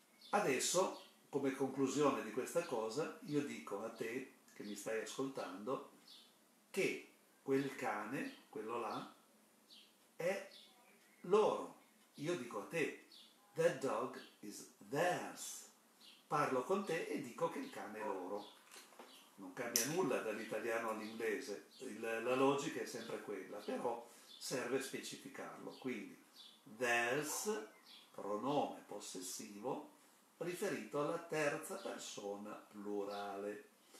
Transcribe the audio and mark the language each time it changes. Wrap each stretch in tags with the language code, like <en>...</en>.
<it>Adesso, come conclusione di questa cosa, io dico a te che mi stai ascoltando che quel cane, quello là, è loro. Io dico a te,</it> <en>that dog is theirs.</en> <it>Parlo con te e dico che il cane è loro. Non cambia nulla dall'italiano all'inglese, la logica è sempre quella, però serve specificarlo. Quindi, theirs, pronome possessivo, riferito alla terza persona plurale.</it>